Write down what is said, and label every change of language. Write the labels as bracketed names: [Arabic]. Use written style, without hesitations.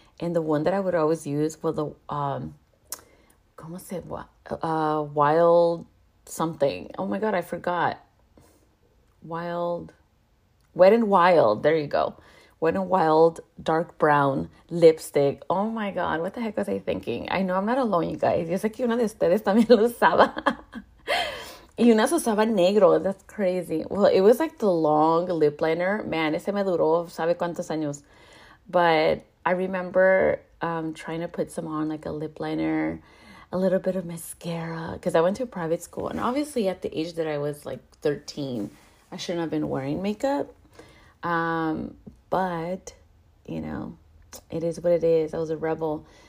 [English] And the one that I would always use was the, [Spanish] ¿cómo se llama? [English] Wild something. Oh my God, I forgot. Wild. Wet and Wild. There you go. Wet and Wild dark brown lipstick. Oh my God, what the heck was I thinking? I know I'm not alone, you guys. [Spanish] Yo sé que una de ustedes también lo usaba. Y una se usaba negro. [English] That's crazy. Well, it was like the long lip liner. [Spanish] Man, ese me duró sabe cuántos años. [English] But I remember trying to put some on, like a lip liner, a little bit of mascara, because I went to a private school. And obviously, at the age that I was, like, 13, I shouldn't have been wearing makeup. But, you know, it is what it is. I was a rebel.